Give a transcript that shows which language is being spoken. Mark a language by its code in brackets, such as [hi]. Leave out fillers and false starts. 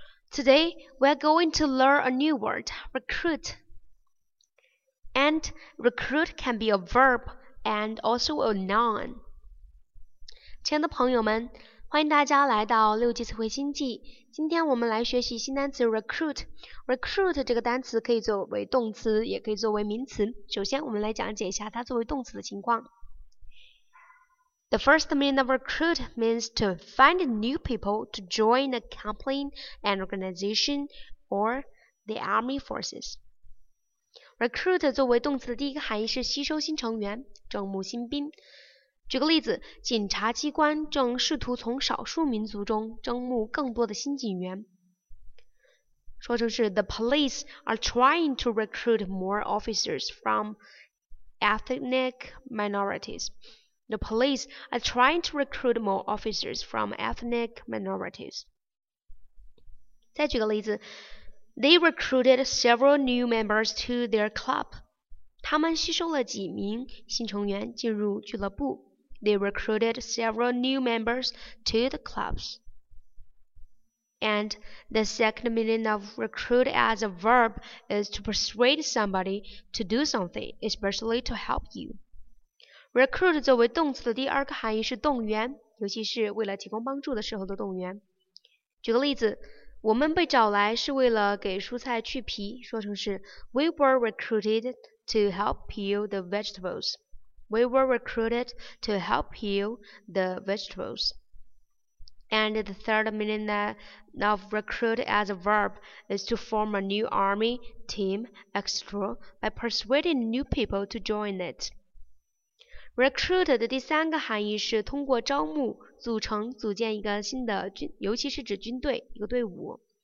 [en] Today, we're going to learn a new word, recruit. And recruit can be a verb and also a noun. [zh] 亲爱的朋友们，欢迎大家来到六级词汇星际。今天我们来学习新单词 recruit。Recruit 这个单词可以作为动词，也可以作为名词。首先，我们来讲解一下它作为动词的情况。 [en] The first meaning of recruit means to find new people to join a company, an organization, or the army forces. [zh] Recruit 作为动词的第一个含义是吸收新成员，招募新兵。举个例子，警察机关正试图从少数民族中招募更多的新警员。说成是 [en] The police are trying to recruit more officers from ethnic minorities. The police are trying to recruit more officers from ethnic minorities. [zh] 再举个例子， [en] They recruited several new members to their club. [zh] 他们吸收了几名新成员进入俱乐部。 [en] They recruited several new members to the clubs. And the second meaning of recruit as a verb is to persuade somebody to do something, especially to help you. [zh] Recruit 作为动词的第二个含义是动员，尤其是为了提供帮助的时候的动员。举个例子，我们被找来是为了给蔬菜去皮，说成是 [en] We were recruited to help peel the vegetables. We were recruited to help peel the vegetables. And the third meaning of recruit as a verb is to form a new army, team, etc. by persuading new people to join it. [zh] Recruit 的第三个含义是通过招募组成组建一个新的军，尤其是指军队一个队伍。